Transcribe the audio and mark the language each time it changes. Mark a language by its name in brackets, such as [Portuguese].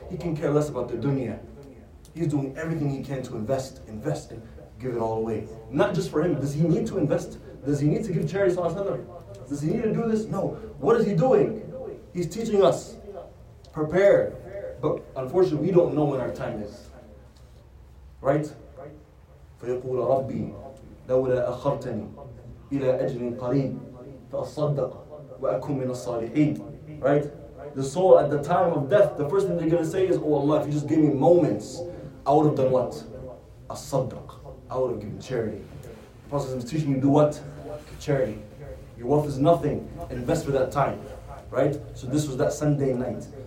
[English] He can care less about the dunya. He's doing everything he can to invest, and give it all away. Not just for him. Does he need to invest? Does he need to give charity to another? Does he need to do this? No. What is he doing? He's teaching us. Prepare. But unfortunately, we don't know when our time is. Right? [Arabic] فيقول ربي لولا أخرتني إلى أجل قريب فأصدق وأكون من الصالحين. [English] Right? The soul at the time of death, the first thing they're going to say is, oh Allah, if you just give me moments, I would have done what? As-Saddaq. I would have given charity. The Prophet is teaching you to do what? Charity. Your wealth is nothing. Invest for that time. Right? So this was that Sunday night.